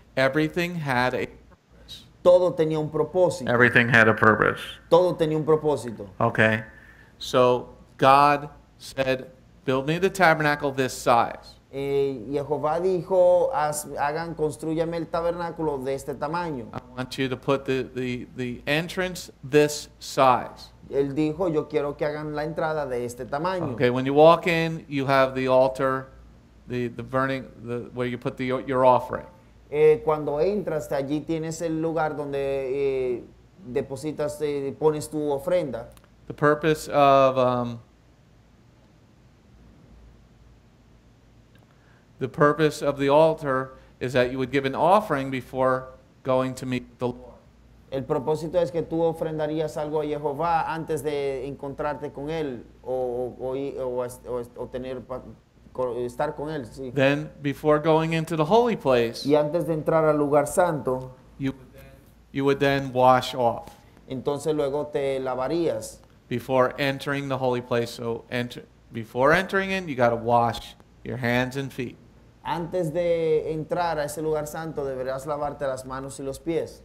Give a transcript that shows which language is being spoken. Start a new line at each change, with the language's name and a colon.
English: Everything had a purpose.
Spanish: Todo tenía un propósito.
English: Everything had a purpose.
Spanish: Todo tenía un propósito.
English: Okay. So God said, build me the tabernacle this size.
Spanish: Yehová dijo, hagan, construyame el tabernáculo de este tamaño.
English: I want you to put the entrance this size.
Spanish: Él dijo, yo quiero que hagan la entrada de este tamaño.
English: Okay, when you walk in, you have the altar, the burning, the where you put the your offering.
Spanish: Cuando entras, allí tienes el lugar donde depositas, pones tu ofrenda.
English: The purpose of the purpose of the altar is that you would give an offering before going to meet the Lord.
Spanish: El propósito es que tú ofrendarías algo a Jehová antes de encontrarte con él o tener estar con él, sí.
English: Then before going into the holy place,
Spanish: y antes de entrar al lugar santo,
English: you would then wash off.
Spanish: Entonces luego te lavarías.
English: Before entering the holy place, so before entering in, you got to wash your hands and feet.
Spanish: Antes de entrar a ese lugar santo, deberás lavarte las manos y los pies.